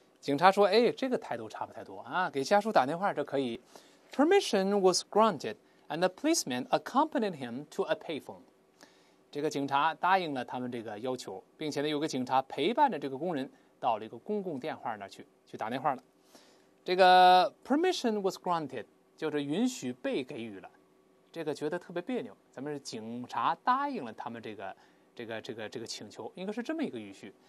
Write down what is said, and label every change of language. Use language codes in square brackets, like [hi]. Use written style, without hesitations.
[zh] 警察说，哎，这个态度差不太多啊，给家属打电话这可以。 [en] Permission was granted, and the policeman accompanied him to a payphone. [zh] 这个警察答应了他们这个要求，并且呢，有个警察陪伴着这个工人到了一个公共电话那儿去打电话了。这个 [en] permission was granted [zh] 就是允许被给予了，这个觉得特别别扭。咱们是警察答应了他们这个请求，应该是这么一个语序。